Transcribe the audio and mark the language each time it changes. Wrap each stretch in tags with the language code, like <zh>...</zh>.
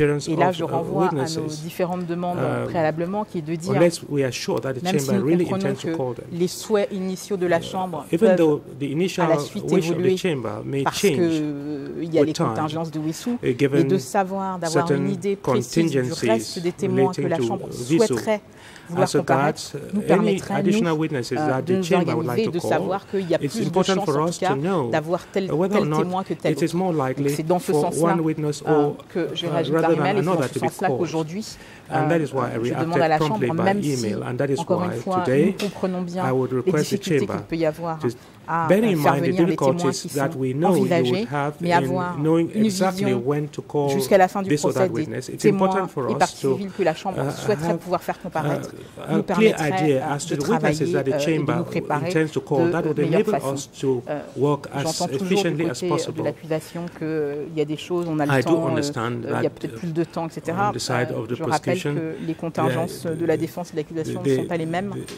<fr>Et là, je renvoie à nos différentes demandes préalablement qui est de dire même si nous comprenons que les souhaits initiaux de la Chambre peuvent à la suite évoluer parce qu'il y a les contingences de WISU, et de savoir, d'avoir une idée précise du reste des témoins que la Chambre souhaiterait</fr> <en>as regards any additional witnesses that the chamber would like to call, it's important for us to know whether or not it is more likely for one witness or rather than another to be called. And that is why I reacted promptly by email. And that is why today I would request the chamber to bear in mind the difficulties that we know you would have in knowing exactly when to call this or that witness. It's important for us to have a clear idea as to the witnesses that the chamber intends to call. That would enable us to work as efficiently as possible. I do understand that on the side of the prosecution,</en> <fr>les contingences de la défense et de l'accusation ne sont pas les mêmes</fr>